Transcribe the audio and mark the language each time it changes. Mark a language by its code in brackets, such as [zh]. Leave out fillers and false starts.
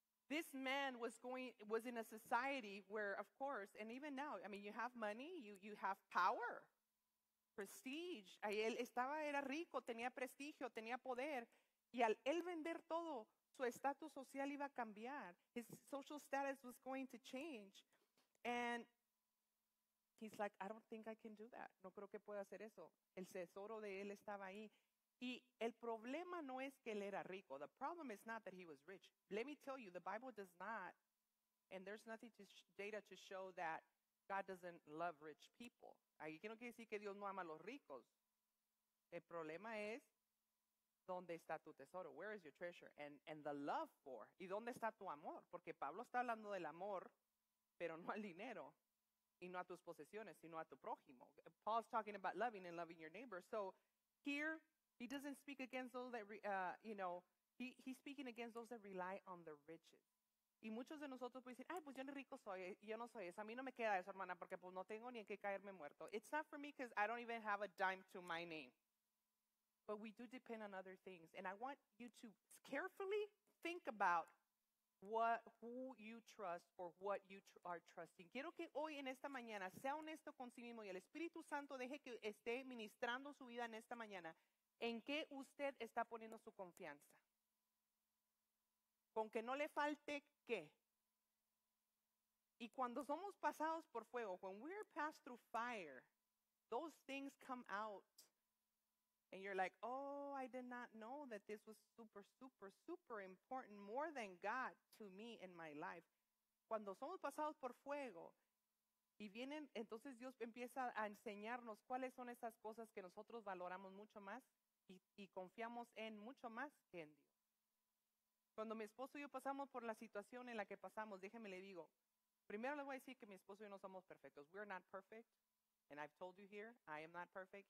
[en] This man was in a society where, of course, and even now, I mean, you have money, you have power, prestige. [es] Él estaba, era rico, tenía prestigio, tenía poder. Y al él vender todo, su estatus social iba a cambiar. [en] His social status was going to change. And he's like, I don't think I can do that. [es] No creo que pueda hacer eso. El tesoro de él estaba ahí. Y el problema no es que él era rico. [en] The problem is not that he was rich. Let me tell you, the Bible does not, and there's nothing to data to show that God doesn't love rich people. [es] Aquí no quiere decir que Dios no ama a los ricos. El problema es, ¿dónde está tu tesoro? [en] Where is your treasure? And the love for, [es] ¿y dónde está tu amor? Porque Pablo está hablando del amor, pero no al dinero, y no a tus posesiones, sino a tu prójimo. [en] Paul's talking about loving and loving your neighbor. So here, he doesn't speak against those that, he's speaking against those that rely on the riches. [es] Y muchos de nosotros pueden decir, ay, pues yo no rico soy, yo no soy eso. A mí no me queda eso, hermana, porque pues no tengo ni en qué caerme muerto. [en] It's not for me because I don't even have a dime to my name. But we do depend on other things. And I want you to carefully think about who you trust or what you are trusting. [es] Quiero que hoy en esta mañana sea honesto con sí mismo y el Espíritu Santo deje que esté ministrando su vida en esta mañana. ¿En qué usted está poniendo su confianza? ¿Con que no le falte qué? Y cuando somos pasados por fuego, [en] when we're passed through fire, those things come out. And you're like, oh, I did not know that this was super, super, super important, more than God to me in my life. [es] Cuando somos pasados por fuego, y vienen, entonces Dios empieza a enseñarnos cuáles son esas cosas que nosotros valoramos mucho más y confiamos en mucho más que en Dios. Cuando mi esposo y yo pasamos por la situación en la que pasamos, déjeme le digo, primero le voy a decir que mi esposo y yo no somos perfectos. [en] We're not perfect. And I've told you here, I am not perfect.